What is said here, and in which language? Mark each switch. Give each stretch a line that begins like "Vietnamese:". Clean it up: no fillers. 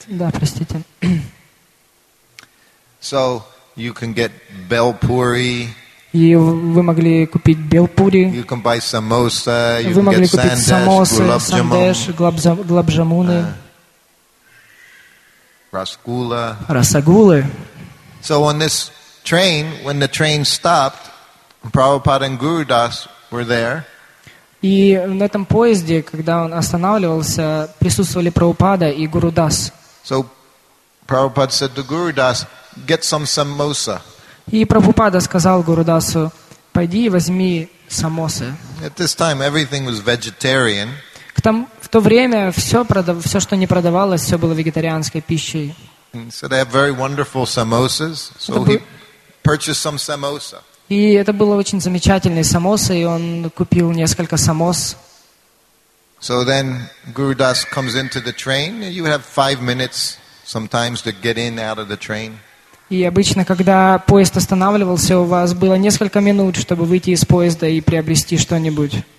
Russian: Да, простите.
English: So you can get belpuri.
Russian: Вы могли купить белпури.
English: You can buy samosa.
Russian: Вы могли купить самосы, сандеш, глобжамуны, расгула, расагулы.
English: So on this train, when the train stopped, Prabhupada and Gurudas were there.
Russian: И на этом поезде, когда он останавливался, присутствовали Прабхупада и Гурудас.
English: So Prabhupada said to Gurudas, get some samosa.
Russian: И Прабхупада сказал Гурудасу, пойди и возьми самосы.
English: At this time everything was vegetarian.
Russian: В то время все, что не продавалось, все было вегетарианской пищей.
English: So they have very wonderful samosas. So he purchased some samosa.
Russian: И это было очень замечательные самосы, и он купил несколько самос.
English: So then Gurudas comes into the train. You have 5 minutes sometimes to get in out of the train.
Russian: И обычно, когда поезд останавливался, у вас было несколько минут, чтобы выйти из поезда и приобрести что-нибудь.